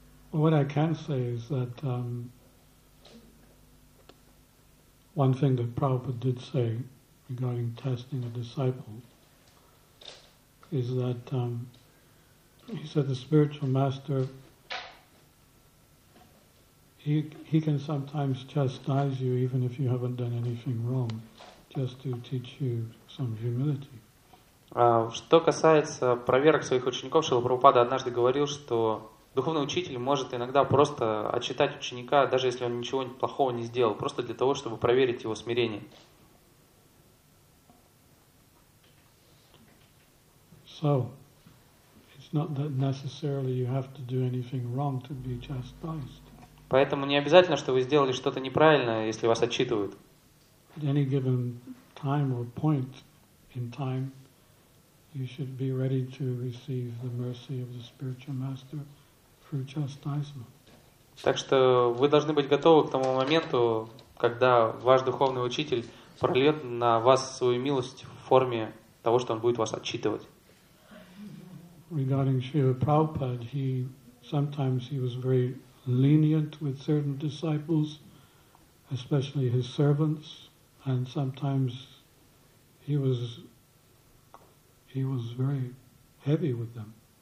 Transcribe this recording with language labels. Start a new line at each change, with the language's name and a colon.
English: Well, what I can say is that one thing that Prabhupada did say regarding testing a disciple is that he said the spiritual master. He can sometimes chastise you even if you haven't done anything wrong, just to teach you some humility.
Russian: Что касается проверок своих учеников, Шрила Прабхупада однажды говорил, что духовный учитель может иногда просто отчитать ученика, даже если он ничего плохого не сделал, просто для того, чтобы проверить его смирение.
English: So, not that necessarily you have to do anything wrong to be chastised.
Russian: Поэтому не обязательно, что вы сделали что-то неправильно, если вас отчитывают.
English: At any given time or point in time, you should be ready to receive the mercy of the spiritual master through chastisement.
Russian: Так что вы должны быть готовы к тому моменту, когда ваш духовный учитель прольет на вас свою милость в форме того, что он будет вас отчитывать.
English: Regarding Srila Prabhupada, he was very lenient with certain disciples, especially his servants, and sometimes he was very heavy with them.